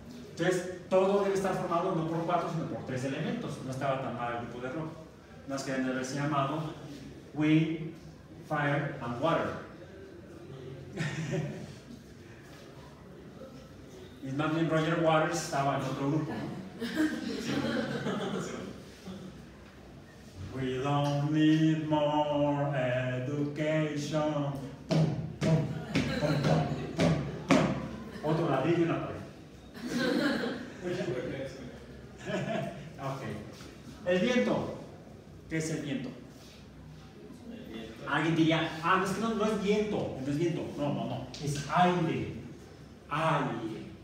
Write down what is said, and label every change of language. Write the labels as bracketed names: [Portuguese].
[Spanish] Entonces, todo debe estar formado no por cuatro, sino por tres elementos. No estaba tan mal el grupo de rock. Más que debe ser llamado Wind, Fire and Water. Y más bien Roger Waters estaba en otro grupo, ¿no? [English] We don't need more education. [Spanish] Otro ladrillo y una pared. Okay. El viento. ¿Qué es el viento? Alguien diría, es que no es viento, no es viento. No, es aire. Aire.